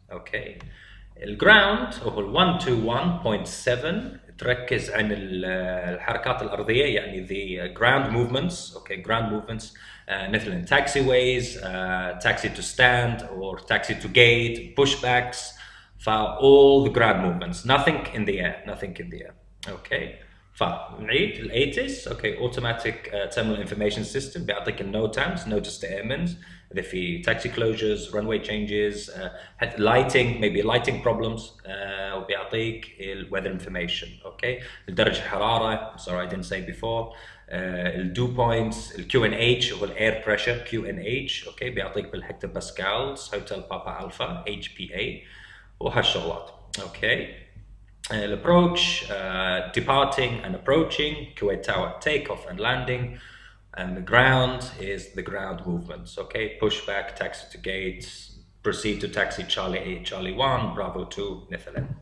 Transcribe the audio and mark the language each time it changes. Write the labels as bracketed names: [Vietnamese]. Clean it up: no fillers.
[Arabic] اوكي، الجراوند هو 121.7، تركز عن الحركات الارضيه، يعني [English] the ground movements. Okay, ground movements [Arabic] مثل [English] taxi ways، taxi to stand or taxi to gate، pushbacks، for all the ground movements. Nothing in the air، nothing in the air. [Arabic] اوكي، فنعيد ال ATIS. [English] okay, automatic terminal information system، [Arabic] بيعطيك ال [English] NOTAMs، notice to airmen، [Arabic] إذا في [English] taxi closures، runway changes، lighting، maybe lighting problems، [Arabic] وبيعطيك ال [English] weather information. [Arabic] اوكي، الدرجة الحرارة، [English] sorry I didn't say before، ال dew points، ال QNH هو ال air pressure، QNH. [Arabic] اوكي، بيعطيك بالهكتر باسكالز، هوتيل بابا الفا، HPA، وهالشغلات. [English] Okay, ال approach، departing and approaching، Kuwait Tower takeoff and landing، and the ground is the ground movements. Okay, pushback, taxi to gates, proceed to taxi Charlie 8, Charlie 1, Bravo 2, [Arabic] مثلاً.